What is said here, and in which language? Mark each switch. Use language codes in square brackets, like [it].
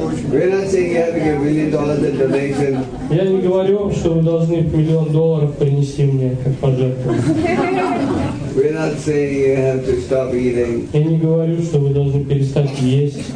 [en] We're not saying you have to give $1 million in donation. [ru] Я не говорю вам, что вы должны $1 million принести мне как пожертвование. [en] We're not saying you have to stop eating. [ru] Я не говорю, что вы должны перестать есть.